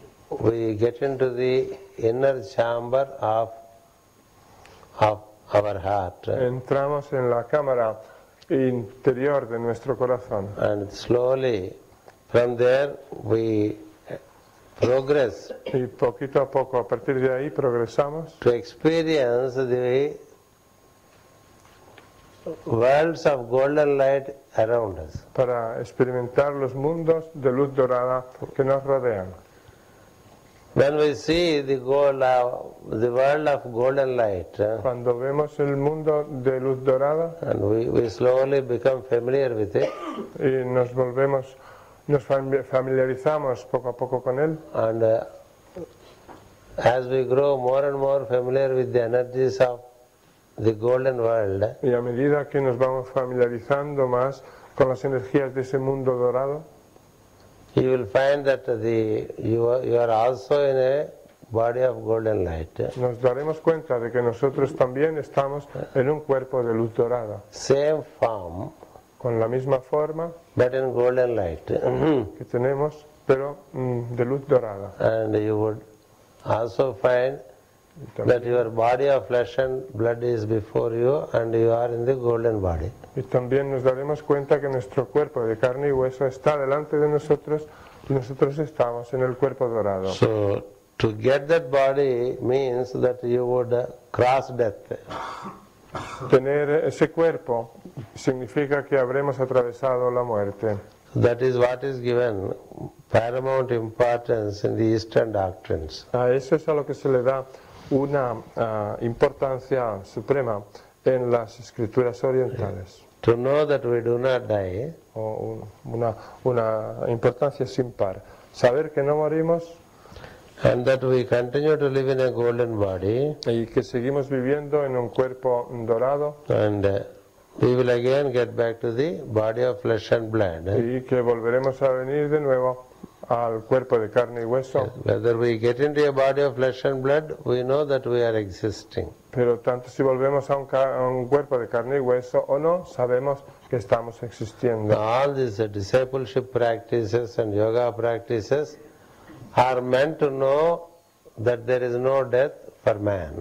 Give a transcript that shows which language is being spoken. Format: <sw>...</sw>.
<en>We get into the inner chamber of our heart.</en> <es>Entramos en la cámara interior de nuestro corazón.</es> <en>And slowly, from there, we progress.</en> <es>Y poquito a poco, a partir de ahí, progresamos.</es> <en>To experience the worlds of golden light around us.</en> <es>Para experimentar los mundos de luz dorada que nos rodean.</es> <en>When we see the world of golden light,</en> <es>cuando vemos el mundo de luz dorada,</es> <en>and we slowly become familiar with it,</en> <es>y nos familiarizamos poco a poco con él,</es> <en>and as we grow more and more familiar with the energies of the golden world,</en> <es>y a medida que nos vamos familiarizando más con las energías de ese mundo dorado,</es> <en>you will find that you are also in a body of golden light.</en> <es>Nos daremos cuenta de que nosotros también estamos en un cuerpo de luz dorada.</es> <en>Same form,</en> <es>con la misma forma,</es> <en>but in golden light.</en> <es>Que tenemos, pero de luz dorada.</es> <en>And you would also find that your body of flesh and blood is before you and you are in the golden body.</en> <es>Y también nos daremos cuenta que nuestro cuerpo de carne y hueso está delante de nosotros y nosotros estamos en el cuerpo dorado.</es> <en>So, to get that body means that you would cross death.</en> <es>Tener ese cuerpo significa que habremos atravesado la muerte.</es> <en>That is what is given paramount importance in the Eastern doctrines.</en> <es>A eso es a lo que se le da una importancia suprema en las escrituras orientales.</es> <en>To know that we do not die.</en> <es>O una importancia sin par. Saber que no morimos.</es> <en>And that we continue to live in a golden body.</en> <es>Y que seguimos viviendo en un cuerpo dorado.</es> <en>And we will again get back to the body of flesh and blood.</en> <es>Y que volveremos a venir de nuevo al cuerpo de carne y hueso.</es> <en>Whether we get into a body of flesh and blood, we know that we are existing.</en> <es>Pero tanto si volvemos a un cuerpo de carne y hueso o no, sabemos que estamos existiendo.</es> <en>All these discipleship practices and yoga practices are meant to know that there is no death for man.</en>